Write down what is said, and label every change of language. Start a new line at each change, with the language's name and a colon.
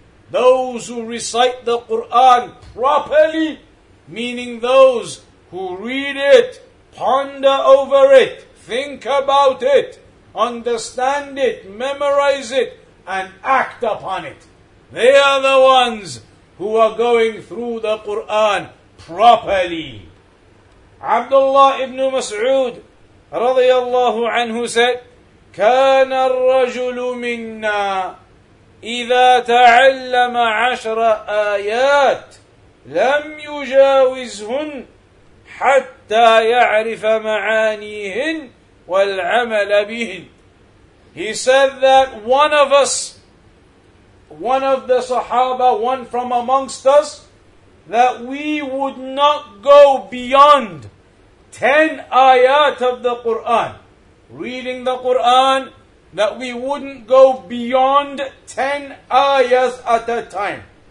English: Those who recite the Quran properly, meaning those who read it, ponder over it, think about it, understand it, memorize it, and act upon it. They are the ones who are going through the Quran properly. Abdullah ibn Mas'ud radiyallahu anhu said,
Arabic: كَانَ الرَّجُلُ مِنَّا إِذَا تَعَلَّمَ عَشْرَ آيَاتٍ لَمْ يُجَاوِزْهُنْ حَتَّى يَعْرِفَ مَعَانِيهِنْ وَالْعَمَلَ بِهِنْ.
English: He said that one of us, one of the Sahaba, one from amongst us, that we would not go beyond 10 ayat of the Qur'an. Reading the Qur'an, that we wouldn't go beyond 10 ayahs at a time.